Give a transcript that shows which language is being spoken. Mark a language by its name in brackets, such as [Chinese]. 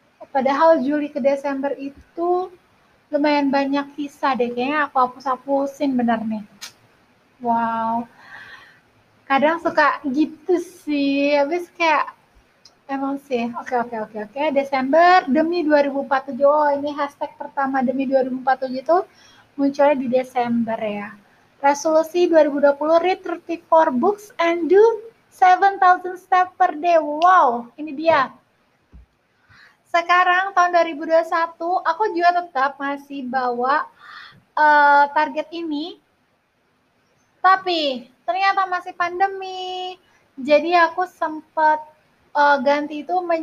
[Indonesian] Padahal Juli ke Desember itu lumayan banyak kisah deh, kayaknya aku hapus-hapusin bener nih. Wow, kadang suka gitu sih, habis kayak emang sih. Oke. Desember demi 2047, oh ini hashtag pertama demi 2047 itu munculnya di Desember ya. [English] Resolusi 2020, read 34 books and do 7,000 steps per day. [Indonesian] Wow, ini dia. Sekarang tahun 2021, aku juga tetap masih bawa target ini. Tapi ternyata masih pandemi. Jadi aku sempat ganti itu.